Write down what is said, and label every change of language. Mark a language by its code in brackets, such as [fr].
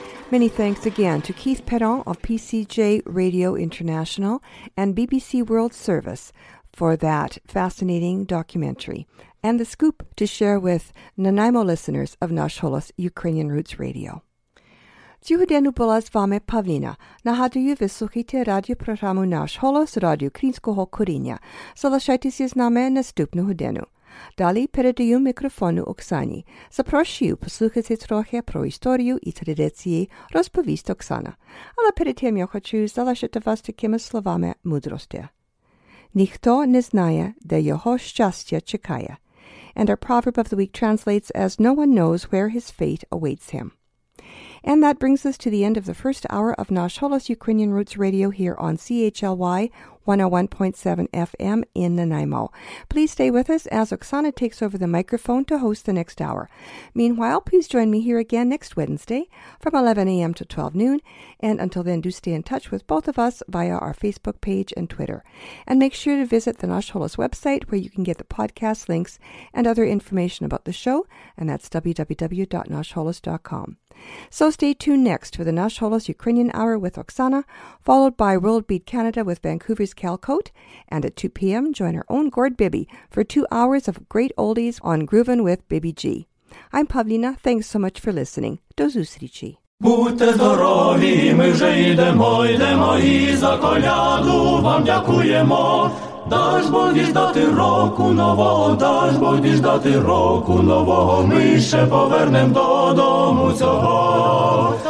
[en] Many thanks again to Keith Perron of PCJ Radio International and BBC World Service for that fascinating documentary and the scoop to share with Nanaimo listeners of Nash Holos Ukrainian Roots Radio. [uk] Цьогоденну була з вами Павліна. Нагадую, ви слухаєте радіопрограму «Наш голос» радіо Українського коріння. Залишайтеся з нами наступну годину. Далі передаю мікрофону Оксані. Запрошую послухати трохи про історію і традиції, розповість Оксана. Але перед тим я хочу залишити вас такими словами мудрості. Ніхто не знає, де його щастя чекає. [en] And our proverb of the week translates as no one knows where his fate awaits him. And that brings us to the end of the first hour of Nash Holos Ukrainian Roots Radio here on CHLY 101.7 FM in Nanaimo. Please stay with us as Oksana takes over the microphone to host the next hour. Meanwhile, please join me here again next Wednesday from 11 a.m. to 12 noon. And until then, do stay in touch with both of us via our Facebook page and Twitter. And make sure to visit the Nash Holos website where you can get the podcast links and other information about the show. And that's www.nashholos.com. So stay tuned next for the Nash Holos Ukrainian Hour with Oksana, followed by World Beat Canada with Vancouver's Cal Coat, and at 2 p.m. join our own Gord Bibby for 2 hours of great oldies on Groovin' with Bibby G. I'm Pavlina. Thanks so much for listening. [uk] До зустрічі. Будьте здорові, ми вже йдемо, йдемо і за коляду вам дякуємо. Даш Боги ждати року нового, даш Боги ждати року нового, ми ще повернем додому цього.